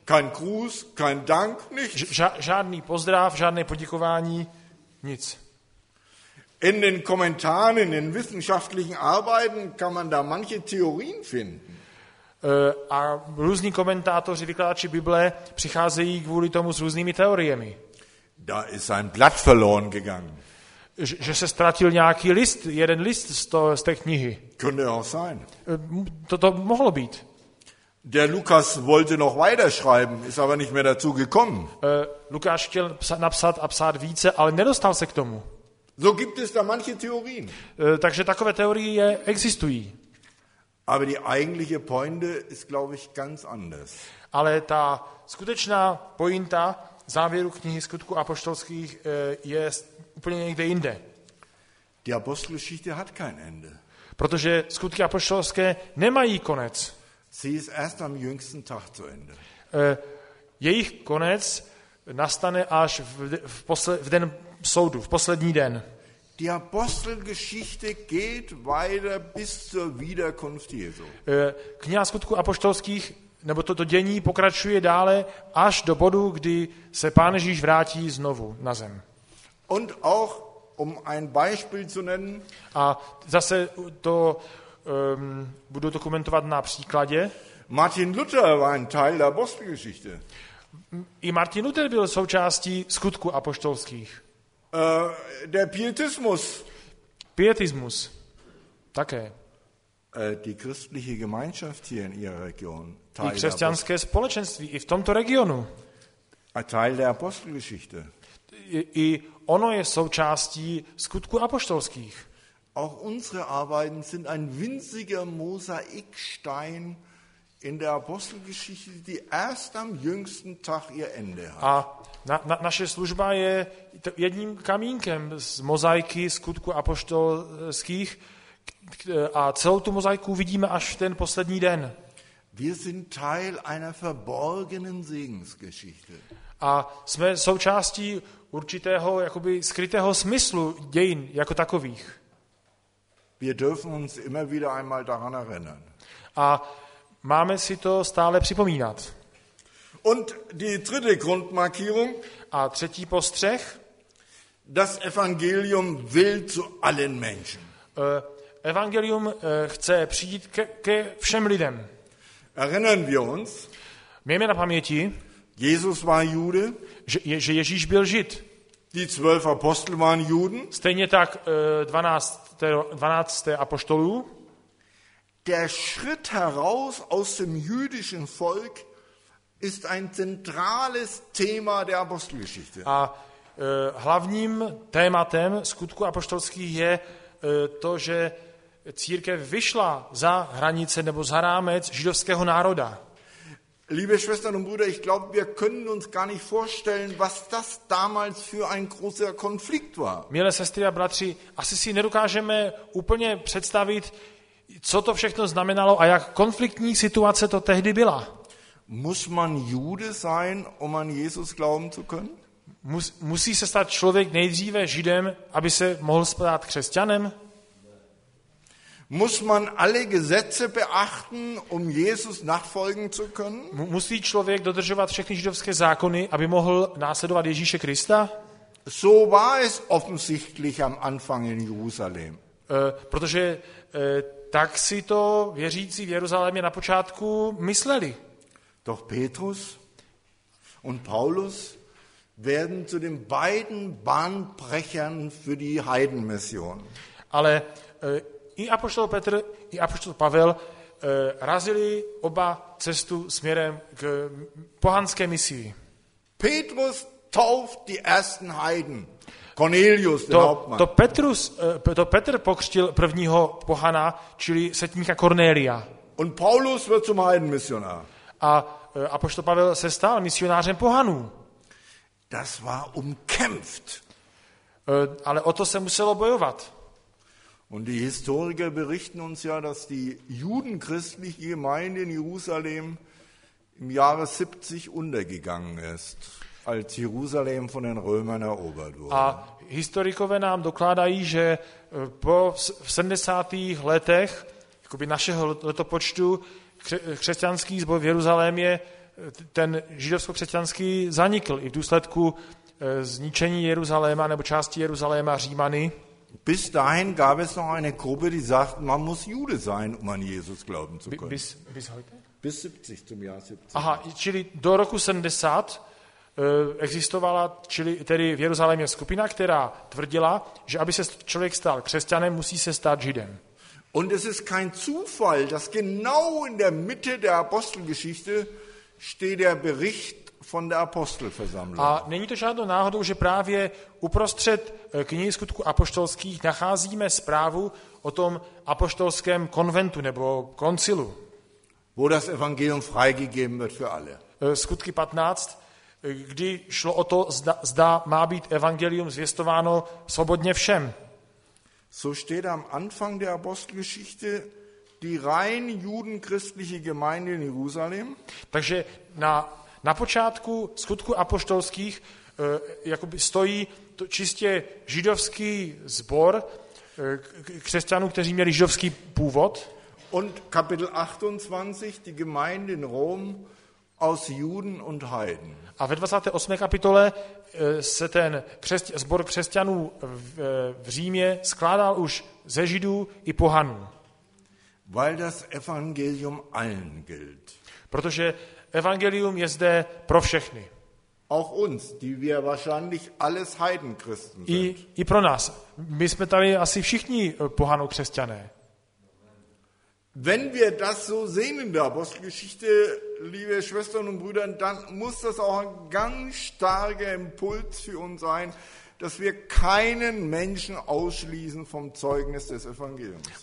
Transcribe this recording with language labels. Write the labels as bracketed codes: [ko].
[de] Kein Gruß, kein Dank, nichts. [cs] Žádný pozdrav, žádné poděkování, nic. [de] In den Kommentaren, in den wissenschaftlichen Arbeiten kann man da manche Theorien finden. [cs] A různí komentátoři, vykladači Bible přicházejí kvůli tomu s různými teoriemi. [de] Da ist ein Blatt verloren gegangen. [cs] Že se ztratil nějaký list, jeden list z té knihy. [de] Könnte auch sein. [cs] To mohlo být. [de] Der Lukas wollte noch weiter schreiben, ist aber nicht mehr dazu gekommen. [cs] Lukáš chtěl napsat a psát více, ale nedostal se k tomu. [de] So gibt es da manche Theorien. [cs] Takže takové teorie existují. [de] Aber die eigentliche Pointe ist, glaube ich, ganz anders. [cs] Ale ta skutečná pointa závěru knihy Skutku apoštolských je úplně někde jinde. [de] Die Apostelgeschichte hat kein Ende. [cs] Protože Skutky apoštolské nemají konec. [de] Sie ist erst am jüngsten Tag zu Ende. [cs] Jejich konec nastane až v den soudu, v poslední den. [de] Die Apostelgeschichte geht weiter bis zur Wiederkunft Jesu. [cs] Kniha Skutku apoštolských, nebo toto dění pokračuje dále až do bodu, kdy se Pán Ježíš vrátí znovu na zem. [de] Und auch um ein Beispiel zu nennen. [cs] A zase to budu dokumentovat na příkladě. [de] Martin Luther war ein Teil der Apostelgeschichte. [cs] I Martin Luther byl součástí Skutku apoštolských. [de] Der Pietismus. [cs] Pietismus. Také. [de] Die christliche Gemeinschaft hier in ihrer Region. [cs] I křesťanské společenství i v tomto regionu. [de] A Teil der Apostelgeschichte. [cs] I ono je součástí Skutku apoštolských. [de] Auch unsere Arbeiten sind ein winziger Mosaikstein in der Apostelgeschichte, die erst am jüngsten Tag ihr Ende hat. [cs] A naše služba je jedním kamínkem z mozaiky Skutku apoštolských a celou tu mozaiku vidíme až v ten poslední den. [de] Wir sind Teil einer verborgenen Segensgeschichte. [cs] A jsme součástí určitého jakoby skrytého smyslu dějin jako takových. [de] Wir dürfen uns immer wieder einmal daran erinnern. [cs] A máme si to stále připomínat. [de] Und die dritte Grundmarkierung. [cs] A třetí postřeh. [de] Das Evangelium will zu allen Menschen. [cs] Evangelium chce přijít ke všem lidem. [de] Erinnern wir uns. [cs] Mějme na paměti. [de] Jesus war Jude. [cs] Že Ježíš byl Žid. [de] Die zwölf Apostel waren Juden. [cs] Stejně tak 12. apoštolů. [de] Der Schritt heraus aus dem jüdischen Volk ist ein zentrales Thema der Apostelgeschichte. [cs] A hlavním tématem Skutku apoštolských je to, že církev vyšla za hranice nebo za rámec židovského národa. [de] Liebe Schwestern und Brüder, ich glaube, wir können uns gar nicht vorstellen, was das damals für ein großer Konflikt war. [cs] Milé sestry a bratři, asi si nedokážeme úplně představit, co to všechno znamenalo a jak konfliktní situace to tehdy byla. [de] Muss man Jude sein, um an Jesus glauben zu können? [cs] Musí se stát člověk nejdříve Židem, aby se mohl stát křesťanem? [de] Muss man alle Gesetze beachten, um Jesus nachfolgen zu können? [cs] Musí člověk dodržovat všechny židovské zákony, aby mohl následovat Ježíše Krista? [de] So war es offensichtlich am Anfang in Jerusalem. [cs] Protože tak si to věřící v Jeruzalémě na počátku mysleli. [de] Doch Petrus und Paulus werden zu den beiden Bahnbrechern für die Heidenmission. [cs] Ale i apoštol Petr, i apoštol Pavel razili oba cestu směrem k pohanské misii. [de] Petrus tauft die ersten Heiden. Cornelius, den Hauptmann. [cs] To Petr pokřtil prvního pohana, čili setníka Kornélia. [de] Und Paulus wird zum Heidenmissionar. [cs] A apoštol Pavel se stal misionářem pohanů. [de] Das war umkämpft. [cs] Ale o to se muselo bojovat. [de] Und die Historiker berichten uns ja, dass die judenchristliche Gemeinde in Jerusalem im Jahre 70 untergegangen ist, als Jerusalem von den Römern erobert wurde. [cs] A historikové nám dokládají, že po 70. letech jakoby našeho letopočtu křesťanský zbor v Jeruzalémě, ten židovsko-křesťanský zanikl i v důsledku zničení Jeruzaléma nebo části Jeruzaléma Římany. [de] Bis dahin gab es noch eine Gruppe, die sagt, man muss Jude sein, um an Jesus glauben zu können. Bis heute? Bis 70, zum Jahr 70. [cs] Aha, čili do roku 70 existovala, čili tedy v Jeruzalémě skupina, která tvrdila, že aby se člověk stal křesťanem, musí se stát židem. [de] Und es ist kein Zufall, dass genau in der Mitte der Apostelgeschichte steht der Bericht von der Apostelversammlung. [cs] A není to žádnou náhodou, že právě uprostřed knihy skutků apoštolských nacházíme zprávu o tom apoštolském konventu nebo koncilu. [de] Wo das Evangelium freigegeben wird für alle. [cs] Skutky 15, kdy šlo o to, zda má být evangelium zvěstováno svobodně všem. [de] So steht am Anfang der Apostelgeschichte die rein judenchristliche Gemeinde in Jerusalem. [cs] Takže na počátku skutku apoštolských jakoby stojí to čistě židovský sbor křesťanů, kteří měli židovský původ. [de] Und Kapitel 28 die Gemeinde in Rom aus Juden und Heiden. [cs] A ve 28. kapitole se ten sbor křesťanů v Římě skládal už ze Židů i pohanů. [de] Weil das Evangelium allen gilt. [cs] Protože evangelium je zde pro všechny. [de] Auch uns, die wir wahrscheinlich alles Heidenchristen sind. [cs] I pro nás. My jsme tady asi všichni pohanokřesťané. [de] Wenn wir das so sehen in der Apostelgeschichte, liebe Schwestern und Brüder, dann muss das auch ein ganz starker Impuls für uns sein, dass wir keinen Menschen ausschließen vom Zeugnis des Evangeliums.